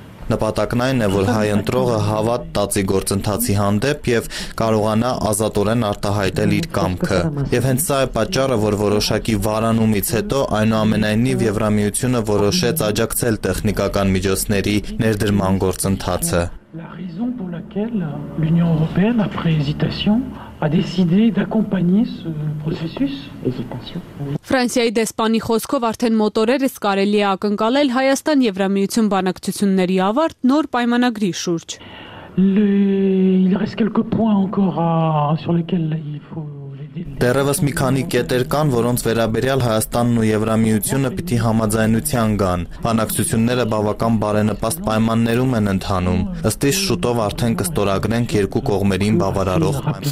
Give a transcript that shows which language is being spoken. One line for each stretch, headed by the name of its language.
Armenian: Նպատակն այն է, որ հայ ընտրողը հավատ տածի գործընթացի հանդեպ և կարողանա ազատորեն արտահայտել իր կամքը։ Եվ հենց սա է պատճառը, որ որոշակի վարանումից հետո այնուամենայնիվ Եվրամիությունը որոշեց աջակցել տեխնիկական միջոցների ներդրման գործընթացը։
French: La raison pour laquelle l'Union européenne, après hésitation, a décidé d'accompagner ce processus.
Armenian: Ֆրանսիայի դեսպանի խոսքով արդեն մոտ օրերս կարելի է ակնկալել Հայաստան-Եվրամիություն բանակցությունների ավարտ նոր պայմանագրի շուրջ։
French: Il reste quelques points encore sur lesquels il faut
Armenian: Դեռևս մի քանի կետեր կան, որոնց վերաբերյալ Հայաստանն ու Եվրամիությունը պիտի համաձայնության գան։ Բանակցությունները բավական բարենպաստ պայմաններում են ընթանում։ Ըստ իս շուտով արդեն կստորագրենք երկու կողմերին բավարարող